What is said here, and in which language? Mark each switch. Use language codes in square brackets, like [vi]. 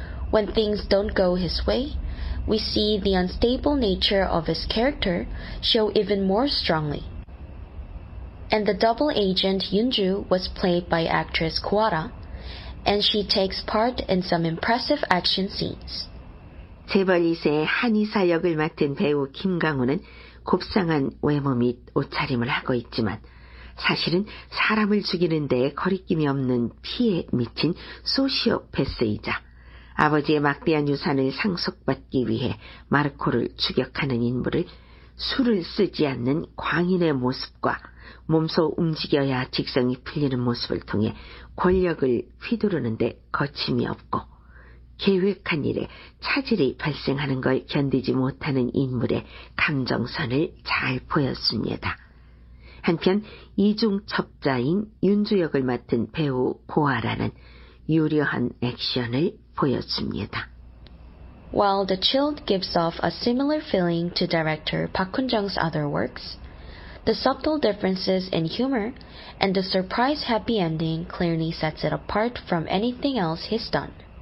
[en] When things don't go his way, we see the unstable nature of his character show even more strongly. And the double agent Yunju was played by actress Kuara, and she takes part in some impressive action scenes. [ko] 재벌 2세의 한이사 역을 맡은 배우 김강우는 곱상한 외모 및 옷차림을 하고 있지만 사실은 사람을 죽이는 데에 거리낌이 없는 피에 미친 소시오패스이자 아버지의 막대한 유산을 상속받기 위해 마르코를 추격하는 인물을 술을 쓰지 않는 광인의 모습과 몸소 움직여야 직성이 풀리는 모습을 통해 권력을 휘두르는 데 거침이 없고 계획한 일에 차질이 발생하는 걸 견디지 못하는 인물의 감정선을 잘 보였습니다. 한편 이중첩자인 윤주 역을 맡은 배우 고아라는 유려한 액션을 보였습니다. [en] While The Chilled gives off a similar feeling to director Park Hoon-jung's other works, the subtle differences in humor and the surprise happy ending clearly sets it apart from anything else he's done.